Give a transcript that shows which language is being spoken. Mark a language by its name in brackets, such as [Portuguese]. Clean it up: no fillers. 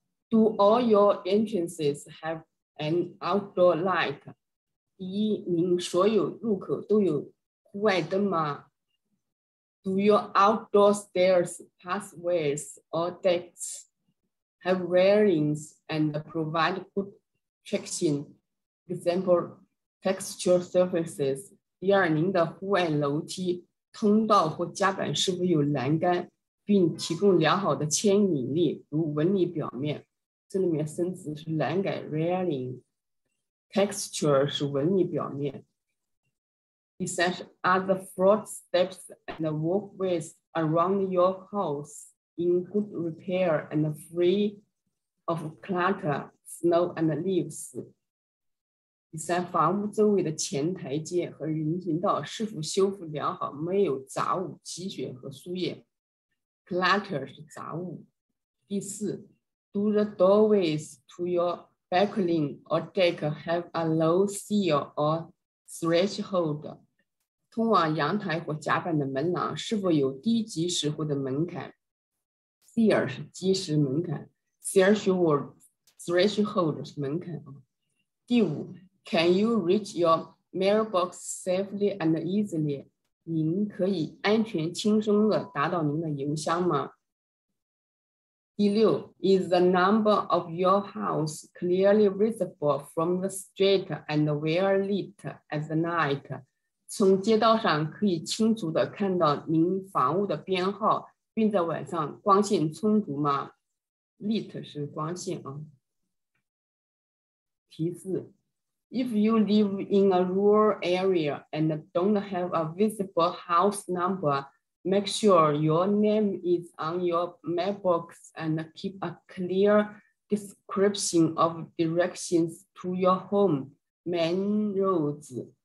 [English] Do all your entrances have an outdoor light？ [Chinese] 第一，您所有入口都有户外灯吗？ [English] Do your outdoor stairs, pathways, or decks have railings and provide good traction? Example, textured surfaces. [Chinese] 第二，您的户外楼梯、通道或甲板是否有栏杆，并提供良好的牵引力，如纹理表面。这里面生词是栏杆 railing， texture 是纹理表面。第三是 [English] Are the floor steps and walkways around your house in good repair and free of clutter, snow and leaves? [Chinese] 第三，房屋周围的前台阶和人行道是否修复良好，没有杂物、积雪和树叶。 [English] Clutter [Chinese] 是杂物。第四， [English] Do the doorways to your balcony or deck have a low sill or threshold? [Chinese] 通往阳台或甲板的门廊是否有低及时或者门槛 ？Sear 是及时门槛 ，threshold 是门槛。 [English] 第五 ，Can you reach your mailbox safely and easily？ [Chinese] 您可以安全轻松地达到您的邮箱吗？ [English] 第六 ，Is the number of your house clearly visible from the street and well lit at the night？ [Chinese] 从街道上可以清楚地看到您房屋的编号，并在晚上光线充足吗？ Lit 是光线啊。 [English] 提示： If you live in a rural area and don't have a visible house number, make sure your name is on your mailbox and keep a clear description of directions to your home, main roads.